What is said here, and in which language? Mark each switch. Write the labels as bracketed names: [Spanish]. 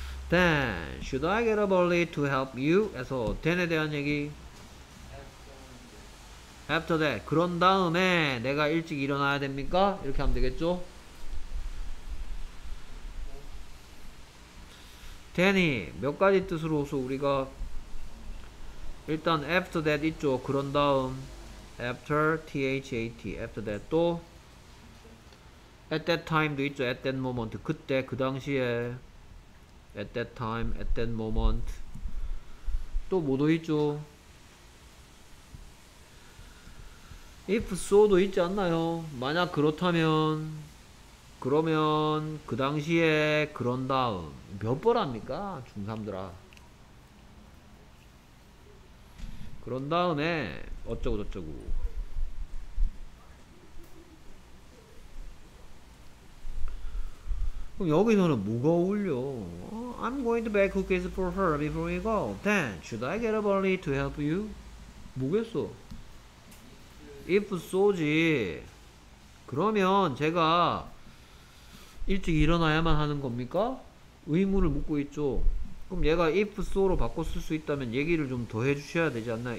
[English] Then, should I get a bully to help you? [Korean] 에서 then에 대한 얘기. [English] After that. [Korean] 그런 다음에 내가 일찍 일어나야 됩니까? 이렇게 하면 되겠죠? Then이 몇 가지 뜻으로서 우리가 일단 after that 있죠. 그런 다음 after, THAT, after that 또 at that time도 있죠. [English] At that moment, [Korean] 그때 그 당시에 [English] at that time, at that moment [Korean] 또 뭐도 있죠. If so도 있지 않나요? 만약 그렇다면 그러면 그 당시에 그런 다음 몇 번 합니까? 중3들아 그런 다음에 어쩌고 저쩌고 그럼 여기서는 뭐가 어울려? [English] I'm going to bake cookies for her before we go. Then, should I get a bully to help you? [Korean] 뭐겠어? If so지 그러면 제가 일찍 일어나야만 하는 겁니까? 의무를 묻고 있죠. 그럼 얘가 if so로 바꿔 쓸 수 있다면 얘기를 좀 더 해주셔야 되지 않나요?